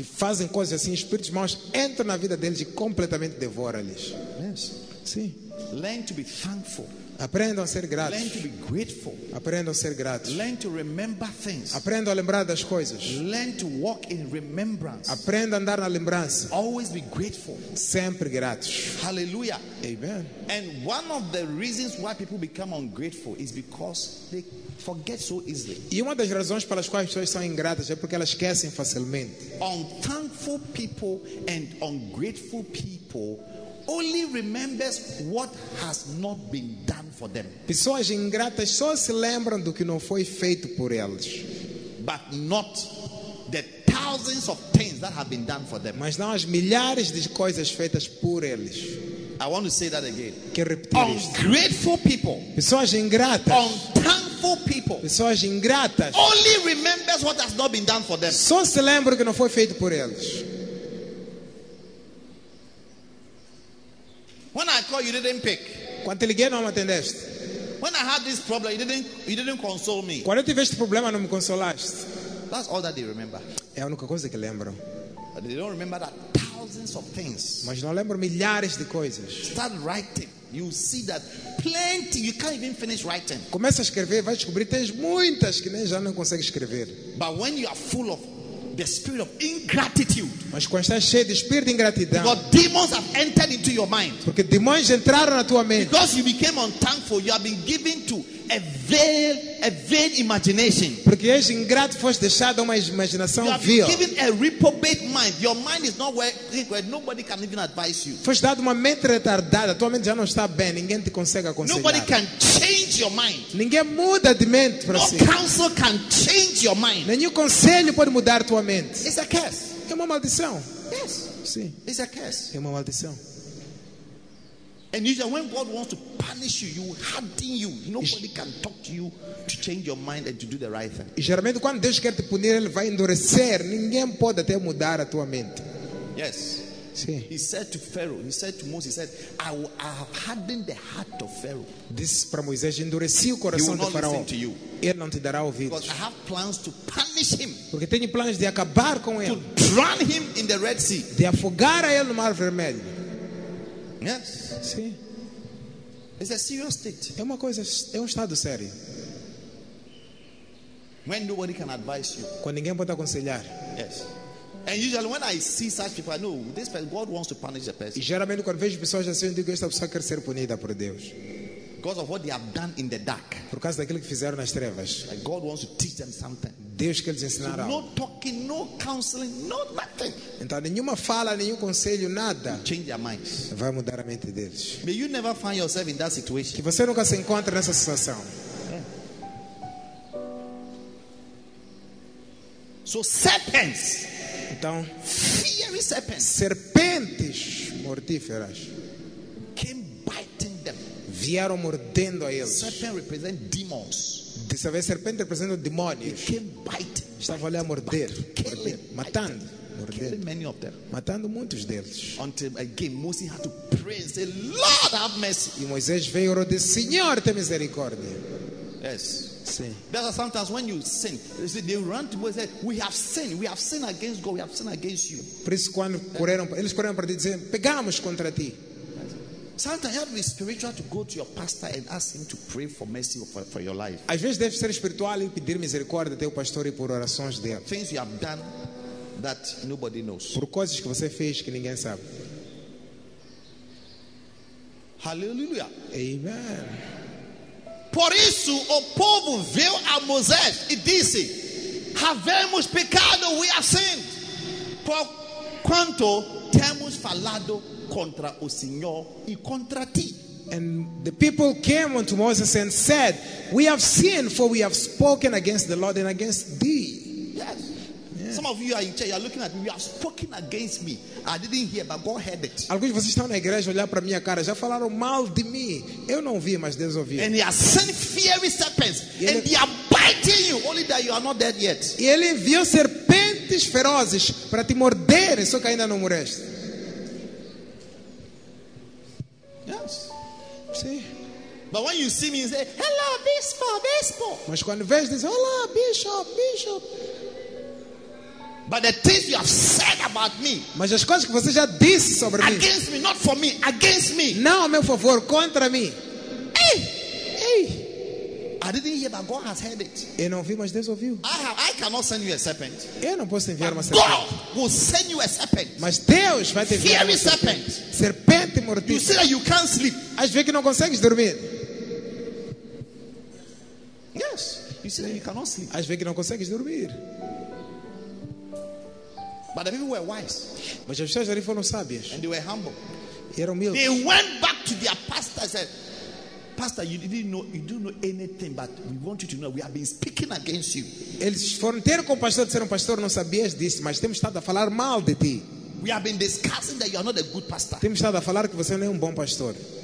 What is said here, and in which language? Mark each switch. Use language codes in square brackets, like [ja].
[pt] Que fazem coisas assim, espíritos maus entram na vida deles e completamente devoram-lhes. [en] Yes. [pt] Sim. [en] Learn to be thankful. [pt] Aprendam a ser gratos. [en] Learn to be grateful. [pt] Aprendam a ser gratos. [en] Learn to remember things. [pt] Aprendam a lembrar das coisas. [en] Learn to walk in remembrance. [pt] Aprendam a andar na lembrança. [en] Always be grateful. [pt] Sempre gratos. [en] Hallelujah. [pt] Amen. [en] And one of the reasons why people become ungrateful is because they forget so easily. [pt] E uma das razões pelas quais as pessoas são ingratas é porque elas esquecem facilmente. [en] Unthankful people and ungrateful people only remembers what has not been done for them. [pt] Pessoas ingratas só se lembram do que não foi feito por elas. [en] But not the thousands of things that have been done for them. [pt] Mas não as milhares de coisas feitas por eles. [en] I want to say that again. [pt] Quero repetir. [en] Ungrateful people. [pt] Pessoas ingratas. [en] Unthankful people. [pt] Pessoas ingratas. [en] Only remembers what has not been done for them. [pt] Só se lembram do que não foi feito por eles. [en] When I called, you didn't pick. [pt] Quando te liguei, não me atendeste. [en] When I had this problem, you didn't console me. [pt] Quando eu tive este problema, não me consolaste. [en] That's all that they remember. [pt] É a única coisa que lembram. [en] But they don't remember that thousands of things. [pt] Mas não lembram milhares de coisas. [en] Start writing. You see that plenty, you can't even finish writing. [pt] Começa a escrever, vai descobrir que tens muitas que nem já não consegues escrever. [en] But when you are full of the spirit of ingratitude. [pt] Mas quando estás cheio de espírito de ingratidão. [en] Because demons have entered into your mind. [pt] Porque demônios entraram na tua mente. [en] Because you became unthankful, you have been given to a vain imagination. [pt] Porque és ingrato, foste deixado uma imaginação vil. [en] You have been given a reprobate mind. Your mind is not where nobody can even advise you. [pt] Foste dado uma mente retardada. Tua mente já não está bem. Ninguém te consegue aconselhar. [en] Nobody can change your mind. [pt] Ninguém muda de mente para no si. [en] No counsel can change your mind. [pt] Nenhum conselho pode mudar tua mente. [en] It's a curse. [pt] É uma maldição. [en] Yes. [pt] Sim. [en] It's a curse. [pt] É uma maldição. [en] And usually when God wants to punish you, you harden you. Nobody can talk to you to change your mind and to do the right thing. [pt] E geralmente quando Deus quer te punir, ele vai endurecer. Ninguém pode até mudar a tua mente. [en] Yes. [pt] Sim. [en] He said to Pharaoh, he said to Moses, he said, I have hardened the heart of Pharaoh. [pt] This para Moisés, endureci o coração de Faraó. [en] He will not listen to you. [pt] Ele não te dará ouvidos. [en] Because I have plans to punish him. [pt] Porque tenho planos de acabar com ele. [en] To drown him in the Red Sea. [pt] De afogar a ele no Mar Vermelho. [en] Yes. [pt] Sim. [en] It's a serious state. [pt] É uma coisa, é estado sério. [en] When nobody can advise you. [pt] Quando ninguém pode aconselhar. [en] Yes. And usually when I see such people, I know this person, God wants to punish the person. [pt] E geralmente quando vejo pessoas assim, eu digo, esta pessoa quer ser punida por Deus. [en] Because of what they have done in the dark. [pt] Por causa daquilo que fizeram nas trevas. [en] Like God wants to teach them something. [pt] Deus quer lhes ensinar algo. [en] No talking, no counseling, no nothing. [pt] Então nenhuma fala, nenhum conselho, nada. [en] You change their minds. [pt] Vai mudar a mente deles. [en] May you never find yourself in that situation. [pt] Que você nunca se encontre nessa situação. [en] So serpents. [pt] Então. [en] Fiery serpents. [pt] Serpentes mortíferas. [en] Came biting them. [pt] Vieram mordendo a eles. [en] Serpent represent demons. [pt] Dessa vez, serpente representa demônios. [en] It came biting. [pt] Estava ali a morder, matando. Matando muitos deles. [en] Until again, Moses had to pray and say, "Lord, have mercy." [pt] E Moisés veio e orou, Senhor, tem misericórdia. [en] Yes. [pt] Sim. [en] There are sometimes when you sin, you see, they run to Moses, and say, we have sinned against God, we have sinned against you. [pt] Por isso, quando correram, eles correram para te dizer, pegamos contra ti. [en] Sometimes you have to be spiritual to go to your pastor and ask him to pray for mercy for your life. [pt] Às vezes deve ser espiritual e pedir misericórdia até o pastor e por orações dele. [en] Things you have done that nobody knows. [pt] Por coisas que você fez que ninguém sabe. [en] Hallelujah. [pt] Amen. Por isso o povo veio a Moisés e disse: "Havemos pecado, [en] we have sinned. [pt] Por quanto temos falado contra o Senhor e contra ti." [en] And the people came unto Moses and said, "We have sinned, for we have spoken against the Lord and against thee." Yes. Yeah. Some of you are in church, you are looking at me, you have spoken against me. I didn't hear, but God heard it. [pt] Alguns de vocês estão na igreja olhar para minha cara, já falaram mal de mim. Eu não vi, mas Deus ouviu. [en] And he has sent fiery serpents, and they are biting you, only that you are not dead yet. [pt] E ele enviou serpentes ferozes para te morderem, só que ainda não morreste. [en] Yes. [pt] Sim. [en] But when you see me, you say, "Hello, bispo." [pt] Mas quando vês, diz, "Olá, bishop." [en] But the things you have said about me. [pt] Mas as coisas que você já disse sobre mim. [en] Against me, not for me, against me. [pt] Não, meu favor, contra mim. [en] Hey. I didn't hear, but God has heard it. [pt] Eu não vi, mas Deus ouviu. [en] I cannot send you a serpent. [pt] Eu não posso enviar uma serpente. [en] God will send you a serpent. [pt] Mas Deus vai te enviar uma serpente. [en] Serpent. [pt] Serpente mordida. [en] You see that you can't sleep. [pt] Às vezes que não consegues dormir. [en] Yes. You see that you cannot sleep. [pt] Às vezes que não consegues dormir. [en] But the people were wise. [pt] Mas as pessoas ali foram sábias. [en] And they were humble. [pt] E eram humildes. [en] They went back to their pastor and said, "Pastor, you didn't know, you don't know anything, but we want you to know we have been speaking against you." [pt] Eles foram ter com o pastor, disseram, "Pastor, não sabias disso, mas temos estado a falar mal de ti. [en] We have been discussing that you are not a good pastor." [pt] Temos estado a falar que você não é bom pastor.